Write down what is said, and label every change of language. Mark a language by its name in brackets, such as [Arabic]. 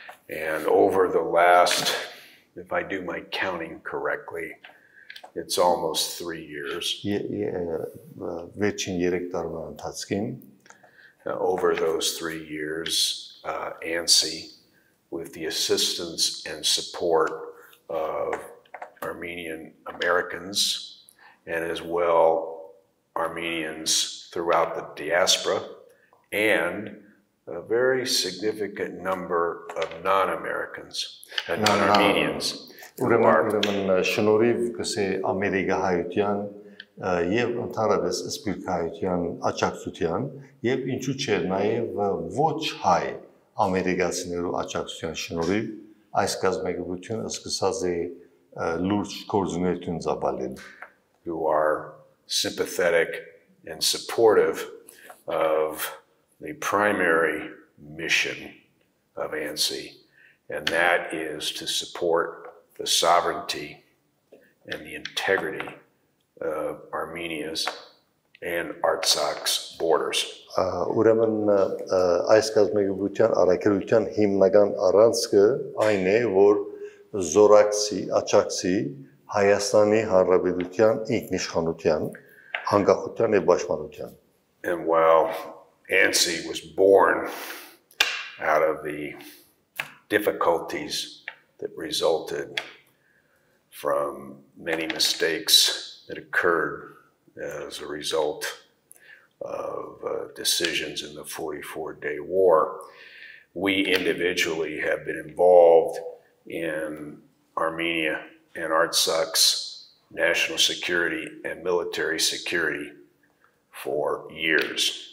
[English] And over the last, if I do my counting correctly, it's almost 3 years. [Armenian] Վերջին 3 տարվա ընթացքում, [English] over those 3 years, ANSI, with the assistance and support of Armenian Americans and as well Armenians throughout the diaspora and a very significant number of non-Americans and non-Armenians. [Armenian] Շնորհիվ կսե ամերիկահայության և ընդհանրապես սփյուռքահայության աջակցության և ինչու՞ չէ նաև ոչ հայ ամերիկացիներու աջակցության շնորհիվ այս կազմակերպությունը սկսած է լուրջ գործունեություն ծավալել։ [English] You are sympathetic and supportive of the primary mission of ANSI, and that is to support the sovereignty and the integrity of Armenia's and Artsakh's borders. [Armenian] Ուրեմն այս կազմակերպության առաքելության հիմնական առանցքը այն է, որ զորակցի, աջակցի Հայաստանի Հանրապետության ինքնիշխանության, անկախության և պաշտպանության։ [English] And while ANSI was born out of the difficulties that resulted from many mistakes that occurred as a result of decisions in the 44-day war, we individually have been involved in Armenia and Artsakh's national security and military security for years.